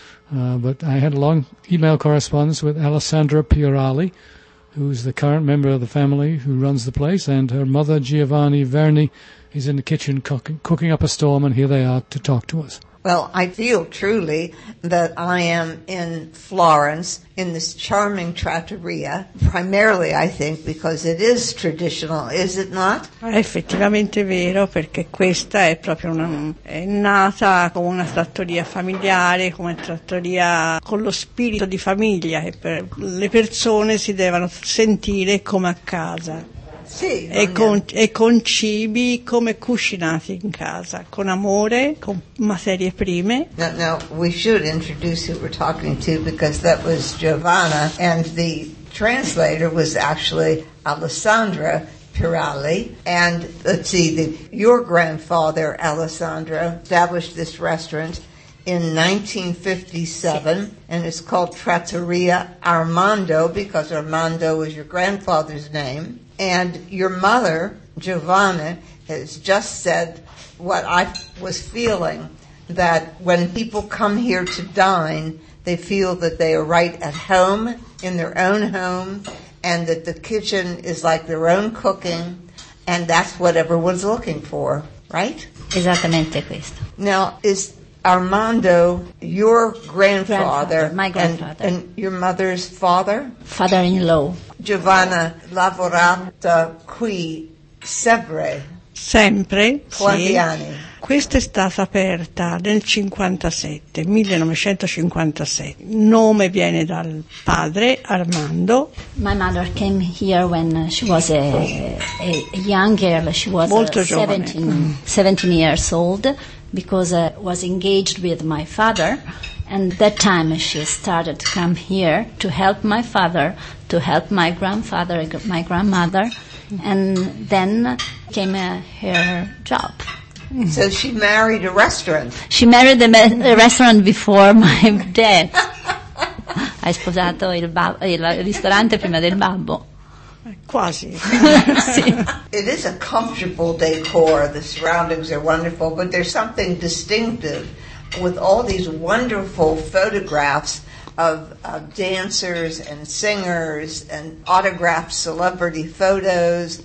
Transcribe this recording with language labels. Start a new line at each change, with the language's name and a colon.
English: But I had a long email correspondence with Alessandra Piorali, who's the current member of the family who runs the place, and her mother, Giovanni Verni, is in the kitchen cooking up a storm, and here they are to talk to us. Well, I feel truly that I am in Florence in this charming trattoria, primarily, I think, because it is traditional, is it not?
Italian: Effettivamente vero, perché questa è proprio è nata come una trattoria familiare, come trattoria con lo spirito di famiglia, e per le persone si devono sentire come a casa. Sì, e con cibi come cucinati in casa, con amore, con materie prime.
English: Now, we should introduce who we're talking to, because that was Giovanna, and the translator was actually Alessandra Piorali. And let's see, your grandfather, Alessandro, established this restaurant in 1957, and it's called Trattoria Armando, because Armando was your grandfather's name. And your mother, Giovanna, has just said what I was feeling, that when people come here to dine, they feel that they are right at home, in their own home, and that the kitchen is like their own cooking, and that's what everyone's looking for, right?
Italian: Esattamente questo.
English: Now, is Armando your grandfather? My grandfather. And your mother's father? Father-in-law.
Italian: Giovanna lavorata qui sempre, quanti anni? Questa è stata aperta nel 57, 1957. Nome viene dal padre Armando.
English: My mother came here when she was a young girl. She was
Italian: molto
English: 17 years old, because I was engaged with my father. And that time she started to come here to help my father, to help my grandfather, my grandmother, and then came her job. So she married a restaurant. She married a restaurant before my dad.
Italian: Ha sposato il ristorante prima del babbo. Quasi. Sì.
English: It is a comfortable decor. The surroundings are wonderful, but there's something distinctive with all these wonderful photographs of dancers and singers and autographed celebrity photos.